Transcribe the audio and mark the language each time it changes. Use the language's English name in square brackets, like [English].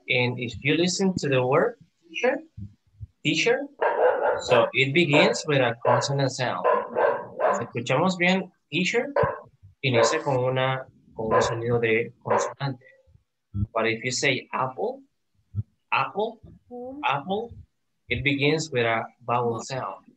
[English] And if you listen to the word teacher, teacher, so it begins with a consonant sound. [Spanish] Si escuchamos bien, teacher inicia con una con un sonido de consonante. [English] But if you say apple, apple, apple, it begins with a vowel sound.